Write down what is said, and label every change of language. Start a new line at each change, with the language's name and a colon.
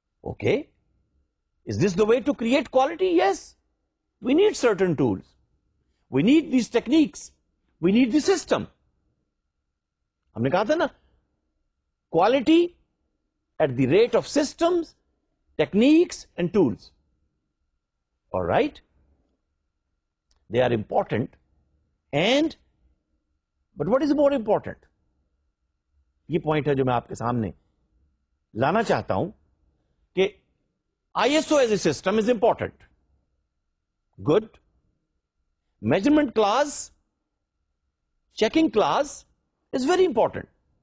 English: Okay, is this the way to create quality? Yes, we need certain tools, we need these techniques, we need the system.
Urdu: ہم نے کہا تھا نا,
English: Quality at the rate of systems, techniques and tools. All right, they are important, and but what is more important?
Urdu: Ye point hai jo main aapke samne lana chahta hu, ke
English: ISO as a system is important, good, measurement class, checking class is very important.